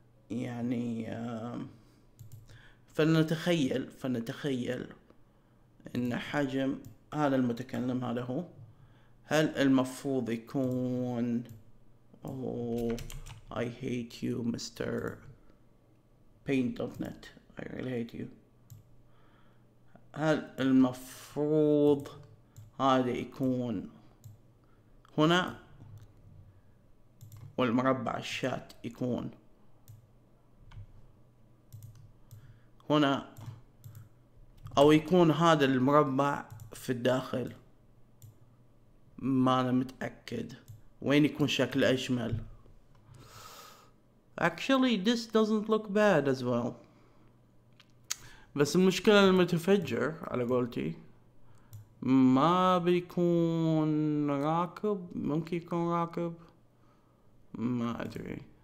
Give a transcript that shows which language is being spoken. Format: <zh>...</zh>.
<ar>يعني فلنتخيل ان حجم هذا المتكلم هذا هو, هل المفروض يكون,</ar> <en>oh I hate you Mr. paint.net, I really hate you.</en> <ar>هل المفروض هذا يكون هنا والمربع الشات يكون هنا, او يكون هذا المربع في الداخل؟ ما انا متأكد وين يكون شكل اجمل.</ar> <en>Actually this doesn't look bad as well.</en> <ar>بس المشكلة المتفجر على قولتي ما بيكون راكب, ممكن يكون راكب, ما ادري.</ar>